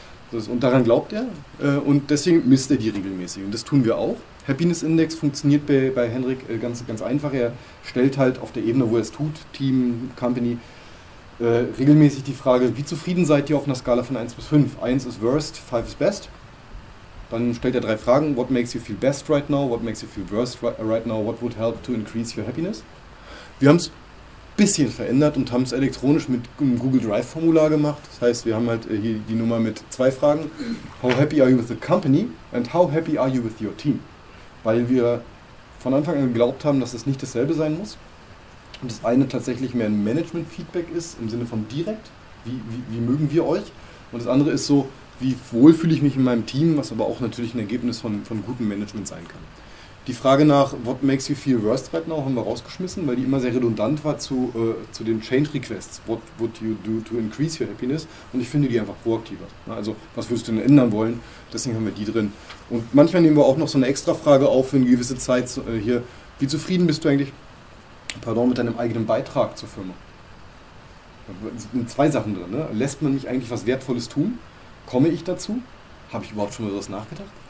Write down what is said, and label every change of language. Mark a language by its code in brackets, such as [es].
[de] Und daran glaubt er und deswegen misst er die regelmäßig. Und das tun wir auch. Happiness Index funktioniert bei Henrik ganz, ganz einfach. Er stellt halt auf der Ebene, wo er es tut, Team, Company, regelmäßig die Frage, wie zufrieden seid ihr auf einer Skala von 1 bis 5? 1 ist worst, 5 ist best. Dann stellt er 3 Fragen. [en] What makes you feel best right now? What makes you feel worst right now? What would help to increase your happiness? [de] Wir haben es ein bisschen verändert und haben es elektronisch mit einem Google Drive Formular gemacht. Das heißt, wir haben halt hier die Nummer mit 2 Fragen. [en] How happy are you with the company? And how happy are you with your team? [de] Weil wir von Anfang an geglaubt haben, dass es nicht dasselbe sein muss. Und das eine tatsächlich mehr ein Management-Feedback ist, im Sinne von direkt. Wie mögen wir euch? Und das andere ist so, wie wohl fühle ich mich in meinem Team, was aber auch natürlich ein Ergebnis von gutem Management sein kann. Die Frage nach, [en] what makes you feel worst right now, [de] haben wir rausgeschmissen, weil die immer sehr redundant war zu den Change-Requests. [en] What would you do to increase your happiness? [de] Und ich finde die einfach proaktiver. Also, was würdest du denn ändern wollen? Deswegen haben wir die drin. Und manchmal nehmen wir auch noch so eine extra Frage auf für eine gewisse Zeit hier. Wie zufrieden bist du eigentlich, mit deinem eigenen Beitrag zur Firma? Es sind 2 Sachen drin. Ne? Lässt man mich eigentlich was Wertvolles tun? Komme ich dazu? Habe ich überhaupt schon mal sowas nachgedacht?